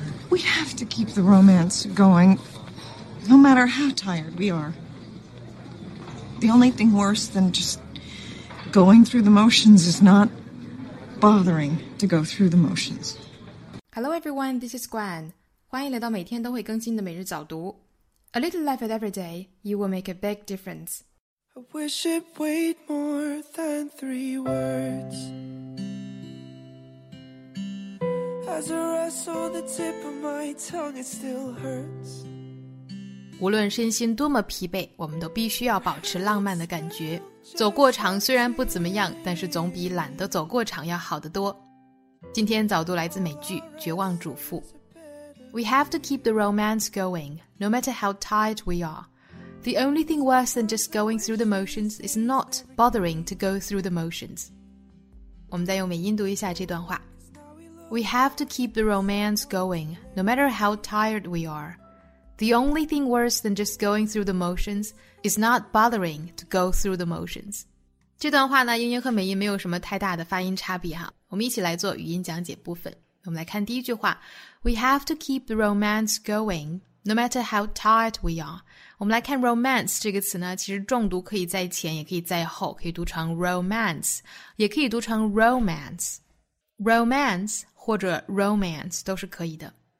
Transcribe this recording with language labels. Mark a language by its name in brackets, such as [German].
[English] We have to keep the romance going, no matter how tired we are. The only thing worse than just going through the motions is not bothering to go through the motions. Hello everyone, this is Gwen. [Chinese] 欢迎来到每天都会更新的每日早读。 [English] A little life at every day, you will make a big difference. I wish it weighed more than three words. As I wrestle the tip of my tongue, it still hurts. [Chinese] 无论身心多么疲惫，我们都必须要保持浪漫的感觉。走过场虽然不怎么样，但是总比懒得走过场要好得多。今天早读来自美剧《绝望主妇》。 [English] We have to keep the romance going, no matter how tired we are. The only thing worse than just going through the motions is not bothering to go through the motions. [Chinese] 我们再用美音读一下这段话。 [English] We have to keep the romance going, no matter how tired we are. The only thing worse than just going through the motions is not bothering to go through the motions. [Chinese] 这段话呢，英音和美音没有什么太大的发音差别哈。我们一起来做语音讲解部分。我们来看第一句话 [English] ，We have to keep the romance going, no matter how tired we are. [Chinese] 我们来看 romance 这个词呢，其实重读可以在前，也可以在后，可以读成 romance， 也可以读成 romance，romance 或者 romance 都是可以的。